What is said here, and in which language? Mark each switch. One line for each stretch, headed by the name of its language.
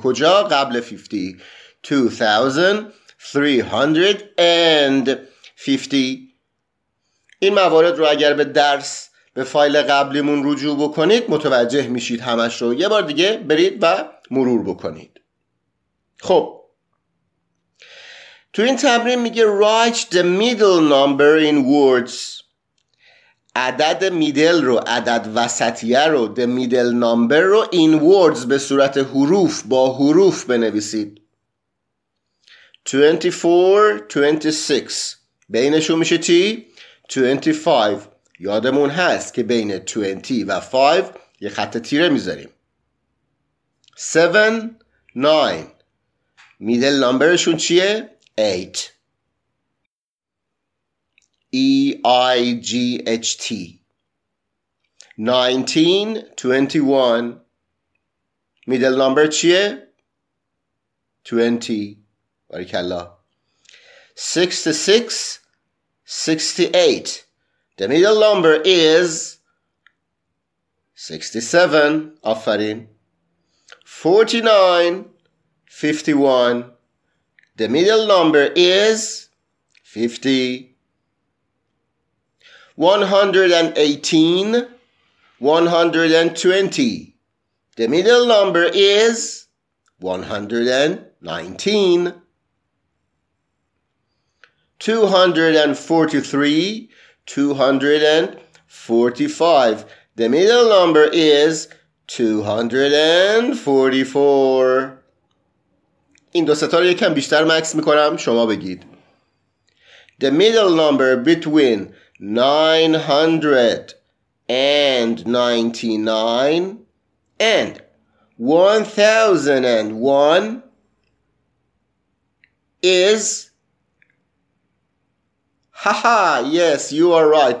Persian: کجا؟ قبل 50. 2350. این موارد رو اگر به درس به فایل قبلیمون رجوع بکنید متوجه میشید همش رو. یه بار دیگه برید و مرور بکنید. خب تو این تمرین میگه
English: write the middle number in words.
Persian: عدد میدل رو، عدد وسطیه رو،
English: the middle number
Persian: رو
English: in words
Persian: به صورت حروف، با حروف بنویسید. 24 26 بینشون میشه چی؟ 25. یادمون هست که بین 20 و 5 یه خط تیره میذاریم. 7 9 میدل نمبرشون چیه؟ 8. EIGHT 19 21 میدل نمبر چیه؟ 20 باریکلا.
English: 66 68 the middle number is 67
Persian: آفرین.
English: 49 51 the middle number is 50. 118 120 the middle number is 119. 243 245 the middle number is 244.
Persian: این دو ستا رو یکم بیشتر مکس میکنم، شما بگید.
English: The middle number between 999 and 1001 is yes you are right.